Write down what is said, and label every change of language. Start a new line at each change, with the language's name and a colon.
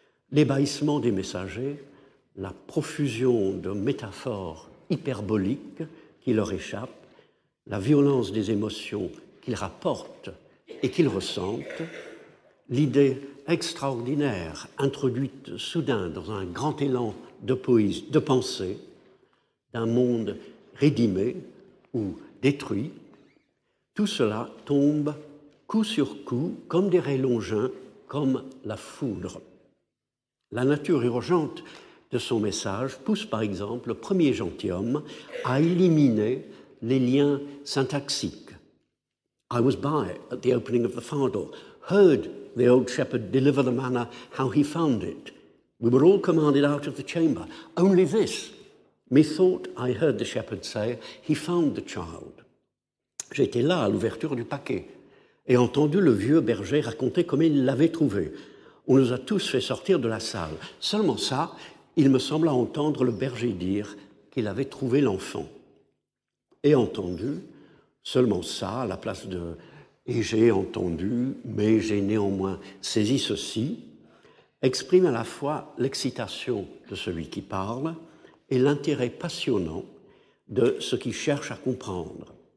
French: L'ébahissement des messagers, la profusion de métaphores hyperboliques qui leur échappent, la violence des émotions qu'ils rapportent et qu'ils ressentent, l'idée extraordinaire introduite soudain dans un grand élan de poésie, de pensée, d'un monde rédimé ou détruit, tout cela tombe coup sur coup comme des raies longins, comme la foudre. La nature urgente de son message pousse par exemple le premier gentilhomme à éliminer les liens syntaxiques.
English: I was by at the opening of the fardel, heard the old shepherd deliver the manna how he found it. We were all commanded out of the chamber. Only this, methought I heard the shepherd say, he found the child.
French: J'étais là à l'ouverture du paquet et entendu le vieux berger raconter comment il l'avait trouvé. On nous a tous fait sortir de la salle. Seulement ça, il me sembla entendre le berger dire qu'il avait trouvé l'enfant. Et entendu, seulement ça, à la place de « et j'ai entendu, mais j'ai néanmoins saisi ceci », exprime à la fois l'excitation de celui qui parle et l'intérêt passionnant de ce qu'il cherche à comprendre.